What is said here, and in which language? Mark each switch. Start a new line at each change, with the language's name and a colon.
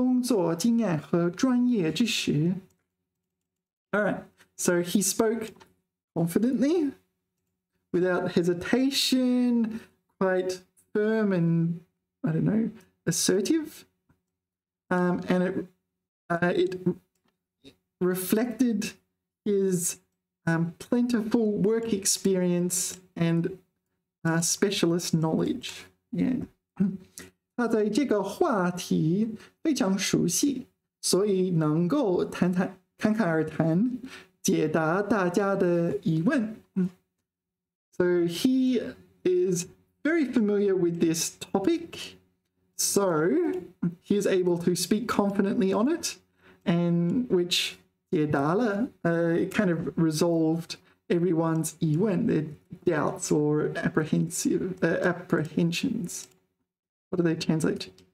Chinese: 面试时，他侃侃而谈，展示了自己丰富的工作经验和专业知识.
English: All right, so he spoke confidently, without hesitation, quite firm and, I don't know, assertive. And it reflected his plentiful work experience and specialist knowledge. Yeah.
Chinese: 他对这个话题非常熟悉，所以能够侃侃而谈。解答大家的疑问.
English: So he is very familiar with this topic, so he is able to speak confidently on it, and which 解答了, kind of resolved everyone's 疑问, their doubts or apprehensions. What do they translate?